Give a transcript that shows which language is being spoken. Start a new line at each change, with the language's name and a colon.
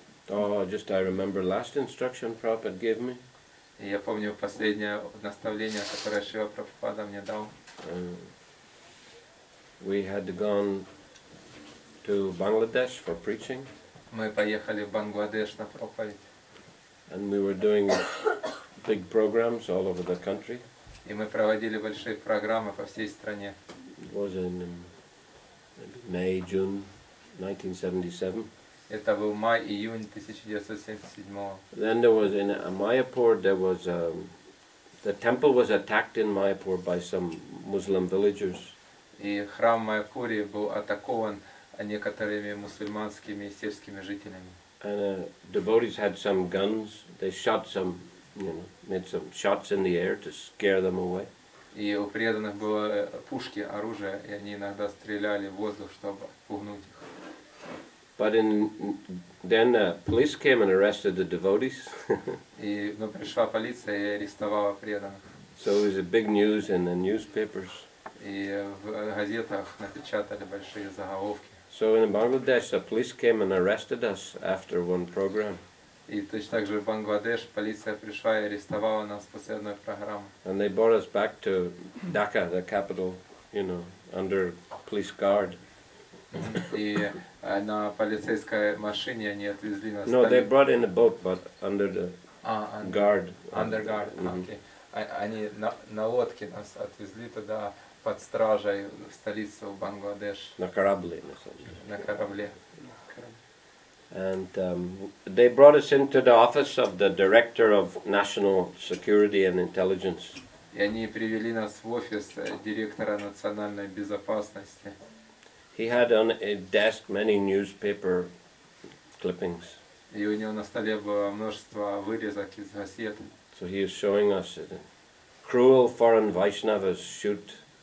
English: Oh, just I remember last instruction Prabhupada gave me.
Russian: Я помню последнее наставление, которое Шрила Прабхупада мне дал.
English: We had gone to Bangladesh for preaching.
Russian: Мы поехали в Бангладеш на проповедь.
English: And we were doing big programs all over the country.
Russian: И мы проводили большие программы по всей стране.
English: It was in May, June 1977.
Russian: Это был май, июнь 1977.
English: Then there was in Mayapur, there was the temple was attacked in Mayapur by some Muslim villagers.
Russian: И храм Майяпури был атакован некоторыми мусульманскими сельскими жителями.
English: And devotees had some guns. They shot some, you know, made some shots in the air to scare them away.
Russian: И у преданных было пушки, оружие, и они иногда стреляли в воздух, чтобы пугнуть их.
English: But then the police came and arrested the devotees.
Russian: И пришла полиция и арестовала преданных.
English: So it was a big news in the newspapers.
Russian: И в газетах напечатали большие заголовки.
English: So in Bangladesh, the police came and arrested us after one program.
Russian: И точно так же в Бангладеш полиция пришла и арестовала нас после одной программы.
English: And they brought us back to Dhaka, the capital, you know, under police guard.
Russian: И на полицейской машине они отвезли нас.
English: No, they brought in a boat, but under the guard. Under guard, okay.
Russian: Они на лодке нас отвезли туда под стражей в столицу Бангладеш. На корабле, на самом деле. На корабле.
English: And they brought us into the office of the director of national security and intelligence.
Russian: И они привели нас в офис директора национальной безопасности.
English: He had on a desk many newspaper clippings.
Russian: И у него на столе было множество вырезок из газет.
English: So he is showing us cruel foreign Vaishnavas shoot